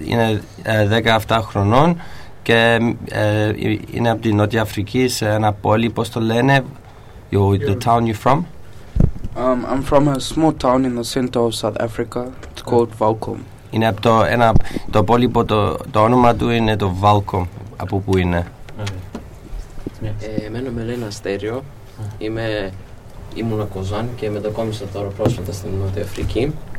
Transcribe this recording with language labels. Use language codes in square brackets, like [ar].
[el] Είναι 17 χρονών και είναι από την Νότια Αφρική, σε ένα πόλι, πώς το λένε, [en] the town you're from? I'm from a small town in the center of South Africa. It's called Valcom. [el] Είναι από το πόλι που το όνομα του είναι το Valcom, από που είναι. Εμένα με λένε Αστέριο. Ήμουν Κοζάν και μετακόμισα τώρα πρόσφατα στην Νότια Αφρική.